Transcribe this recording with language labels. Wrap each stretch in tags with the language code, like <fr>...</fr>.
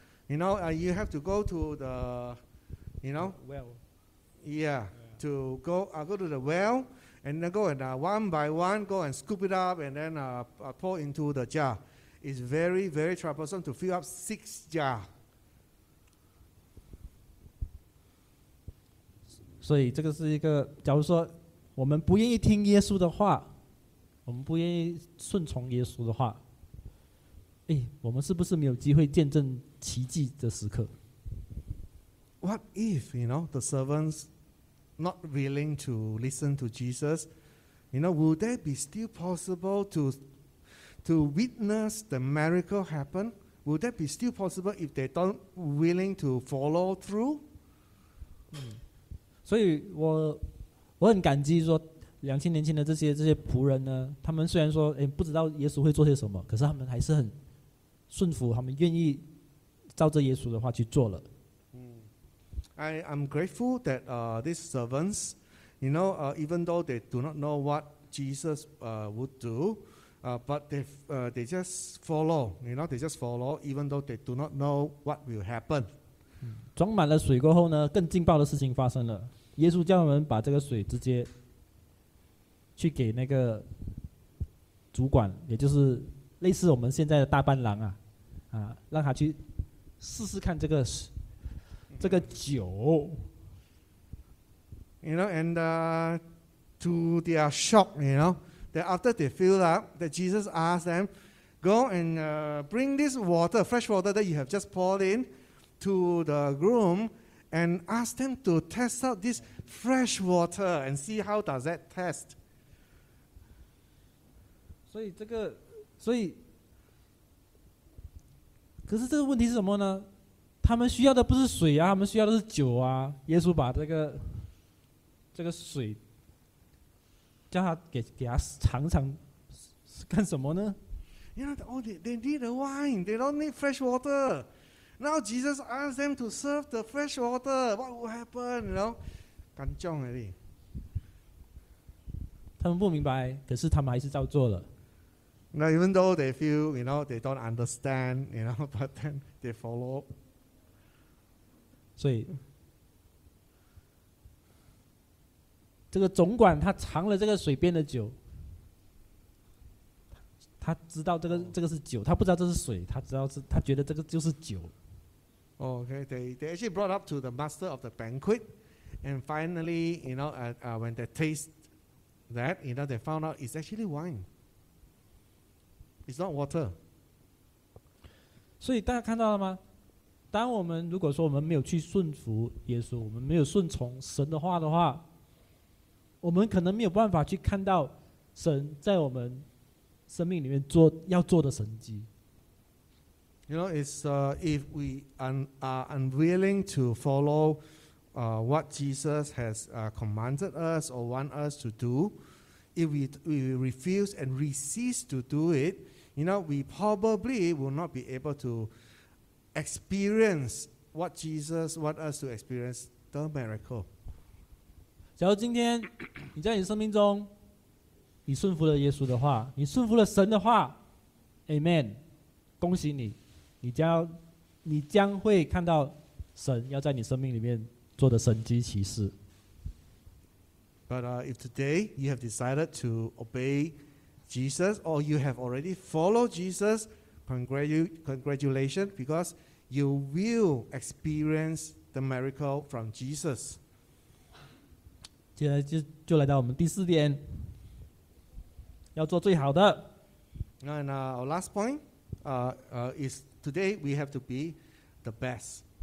<en>You know, you have to go to the, you know, well. Yeah, to go to the well, and then go and one by one go and scoop it up, and then pour into the jar. It's very, very troublesome to fill up six jars.</en> <zh>So, 这个是一个，假如说我们不愿意听耶稣的话，我们不愿意顺从耶稣的话。哎，我们是不是没有机会见证奇迹的时刻</zh> <en>？What if you know the servants not willing to listen to Jesus? You know, would that be still possible to witness the miracle happen? Would that be still possible if they don't willing to follow through?</en> <zh>所以我很感激说。 2000年前的这些仆人呢，他们虽然说哎不知道耶稣会做些什么，可是他们还是很顺服，他们愿意照着耶稣的话去做了。</zh> <en>I'm grateful that these servants, you know, even though they do not know what Jesus would do, but they just follow, you know, they just follow, even though they do not know what will happen.</en> <zh>装满了水过后呢，更劲爆的事情发生了。耶稣叫我们把这个水直接去给那个主管，也就是类似我们现在的大伴郎啊，让他去试试看这个酒。</zh> <en>You know, and to their shock, you know, that after they filled up, that Jesus asked them, go and bring this water, fresh water that you have just poured in, to the groom, and ask them to test out this fresh water and see how does that test.</en> <zh>所以可是这个问题是什么呢？他们需要的不是水啊，他们需要的是酒啊。耶稣把这个水叫他给他尝尝，是干什么呢？</zh> <en>You know, oh, they need a wine. They don't need fresh water. Now Jesus asked them to serve the fresh water. What will happen? You know,</en> <zh>干将而已。他们不明白，可是他们还是照做了。</zh> <en>Now, even though they feel, you know, they don't understand, you know, but then they follow.</en> <zh>所以，这个总管他尝了这个水边的酒，他知道这个是酒，他不知道这是水，他觉得这个就是酒。</zh> <en>Okay, they actually brought up to the master of the banquet, and finally, you know, when they taste that, you know, they found out it's actually wine. It's not water.</en> <zh>所以大家看到了吗？当我们如果说我们没有去顺服耶稣，我们没有顺从神的话的话，我们可能没有办法去看到神在我们生命里面做要做的神迹。 You know, it's if we are unwilling to follow what Jesus has commanded us or want us to do, if we refuse and resist to do it, you know, we probably will not be able to experience what Jesus want us to experience, the miracle. 假如今天你在你生命中你顺服了耶稣的话，你顺服了神的话， Amen， 恭喜你，你将会看到神要在你生命里面做的神迹奇事。</zh> <en>But if today you have decided to obey Jesus, or you have already followed Jesus, congratulations, because you will experience the miracle from Jesus.</en> <zh>接下来就来到我们第四点，要做最好的。</zh> <en>And our last point, is today we have to be the best.</en>